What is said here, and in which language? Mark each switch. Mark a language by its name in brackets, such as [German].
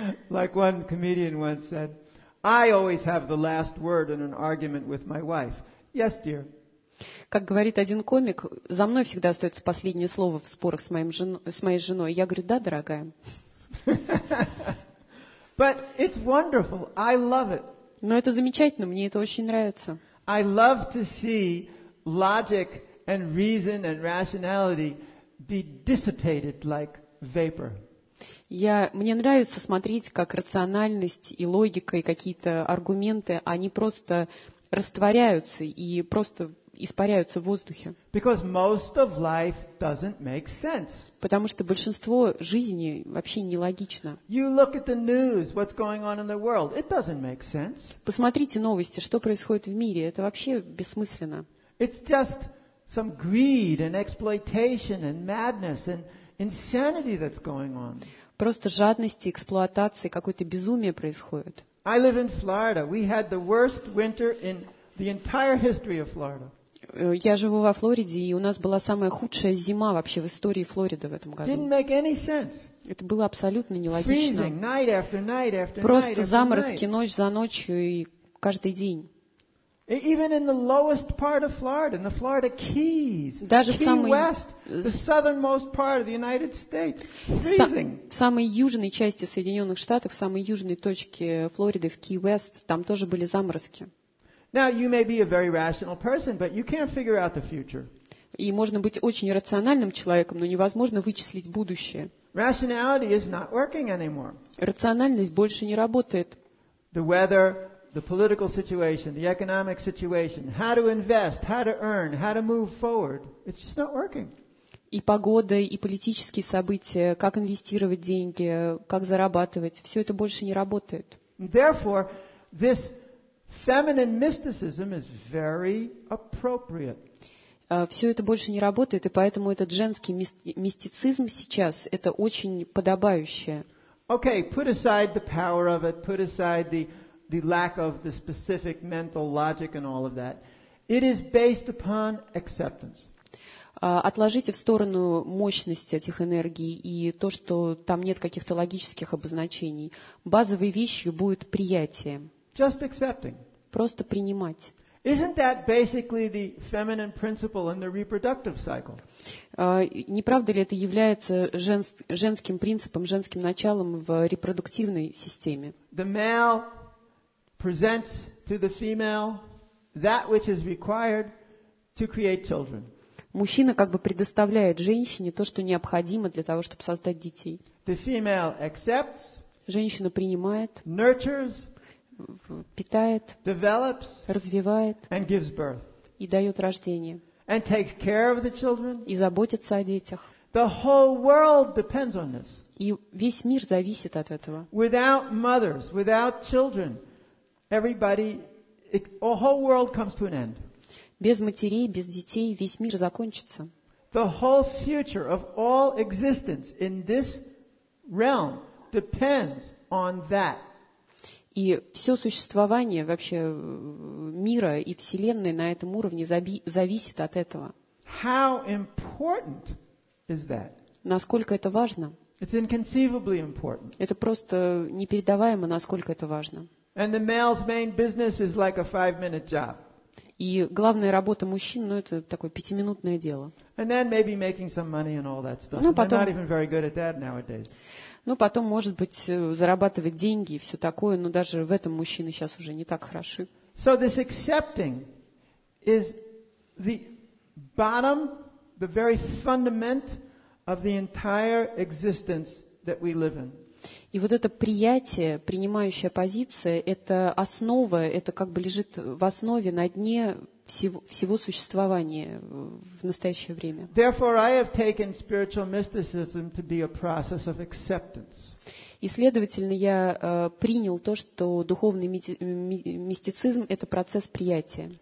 [English] Like one comedian once said, I always have the last word in an argument with my wife. Yes, dear. [Russian] Как говорит один комик, за мной всегда остается последнее слово в спорах с моей женой. Я говорю, да, дорогая. [English] But it's wonderful. I love it. [Russian] Но это замечательно, мне это очень нравится. [English] I love to see logic and reason and rationality be dissipated like vapor. [Russian] Мне нравится смотреть, как рациональность и логика и какие-то аргументы, они просто растворяются и просто испаряются в воздухе. [English] Because most of life doesn't make sense. [Russian] Потому что большинство жизни вообще нелогично. [English] You look at the news, what's going on in the world. It doesn't make sense. [Russian] Посмотрите новости, что происходит в мире, это вообще бессмысленно. [English] It's just some greed and exploitation and madness and insanity that's going on. [Russian] Просто жадность, эксплуатация, какое-то безумие происходит. [English] I live in Florida. We had the worst winter in the entire history of Florida. [Russian] Я живу во Флориде, и у нас была самая худшая зима вообще в истории Флориды в этом году. [English] Didn't make any sense. [Russian] Это было абсолютно нелогично. [English] Freezing night after night after night. [Russian] Просто заморозки ночь за ночью и каждый день. [English] Even in the lowest part of Florida, in the Florida Keys, [Russian] даже [English] Key West, the southernmost part of the United States, freezing. [Russian] В самой южной части Соединенных Штатов, в самой южной точке Флориды, в Key West, там тоже были заморозки. [English] Now you may be a very rational person, but you can't figure out the future. [Russian] И можно быть очень рациональным человеком, но невозможно вычислить будущее. [English] Rationality is not working anymore. [Russian] Рациональность больше не работает. [English] The weather. The political situation, the economic situation, how to invest, how to earn, how to move forward. It's just not working. [Russian] И погода, и политические события, как инвестировать деньги, как зарабатывать, все это больше не работает. [English] Therefore, this feminine mysticism is very appropriate. [Russian] Все это больше не работает, и поэтому этот женский мистицизм сейчас это очень подобающее. [English] Okay, put aside the power of it, put aside the lack of the specific mental logic and all of that. It is based upon acceptance. [Russian] Отложите в сторону мощность этих энергий и то, что там нет каких-то логических обозначений. Базовой вещью будет приятие. [English] Just accepting. [Russian] Просто принимать. [English] Isn't that basically the feminine principle in the reproductive cycle? [Russian] Не правда ли это является женским принципом, женским началом в репродуктивной системе? [English] The male presents to the female that which is required to create children. [Russian] Мужчина как бы предоставляет женщине то, что необходимо для того, чтобы создать детей. [English] The female accepts. [Russian] Женщина принимает. [English] Nurtures. [Russian] Питает. [English] Develops. [Russian] Развивает. [English] And gives birth. [Russian] И дает рождение. [English] And takes care of the children. [Russian] И заботится о детях. [English] The whole world depends on this. [Russian] И весь мир зависит от этого. [English] Without mothers, without children, everybody, the whole world comes to an end. [Russian] Без матерей, без детей весь мир закончится. [English] The whole future of all existence in this realm depends on that. [Russian] И все существование вообще мира и вселенной на этом уровне зависит от этого. [English] How important is that? [Russian] Насколько это важно? [English] It's inconceivably important. [Russian] Это просто непередаваемо, насколько это важно. [English] And the male's main business is like a 5-minute job. [Russian] И главная работа мужчин, это такое 5-минутное дело. [English] And then maybe making some money and all that stuff. They're not even very good at that nowadays. [Russian] Ну, потом, может быть, зарабатывать деньги и все такое, но даже в этом мужчины сейчас уже не так хороши. [English] So this accepting is the bottom, the very fundament of the entire existence that we live in. [Russian] И вот это приятие, принимающая позиция, это основа, это как бы лежит в основе, на дне всего существования в настоящее время. [English] Therefore, I have taken spiritual mysticism to be a process of acceptance. [Russian] И, следовательно, я принял то, что духовный мистицизм – это процесс приятия.